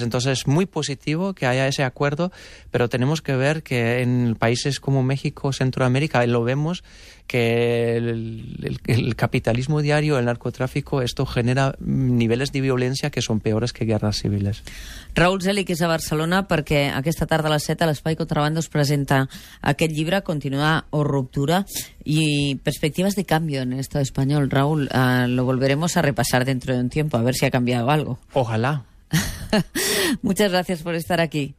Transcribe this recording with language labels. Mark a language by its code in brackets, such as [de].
[es] Entonces es muy positivo que haya ese acuerdo, pero tenemos que ver que en países como México, Centroamérica, lo vemos, que el capitalismo diario, el narcotráfico, esto genera niveles de violencia que son peores que guerras civiles. [ca] Raúl Zelic és a Barcelona perquè aquesta tarda a les 7 l'Espai Contrabando es presenta aquest llibre, Continuar o Ruptura, i perspectives de canvi en l'estat espanyol. [es] Raúl, lo volveremos a repasar dentro de un tiempo, a ver si ha cambiado algo. Ojalá. Muchas gracias por estar aquí.